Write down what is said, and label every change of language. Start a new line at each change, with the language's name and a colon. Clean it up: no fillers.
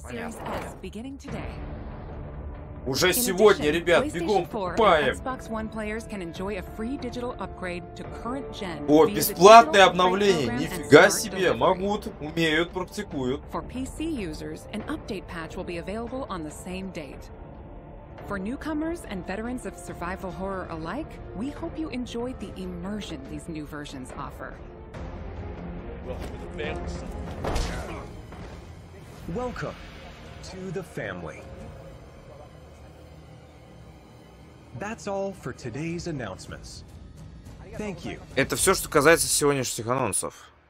Russian: Понятно. Уже сегодня, ребят, бегом покупаем. О, бесплатное обновление. Нифига себе. Могут, умеют, практикуют.
English: For PC users, an update patch will be available on the same date. For newcomers and veterans of survival horror alike, we hope you enjoyed the immersion these new versions offer. Welcome to the family. That's all for today's announcements. Thank you.
Russian: Это все, что касается сегодняшних анонсов.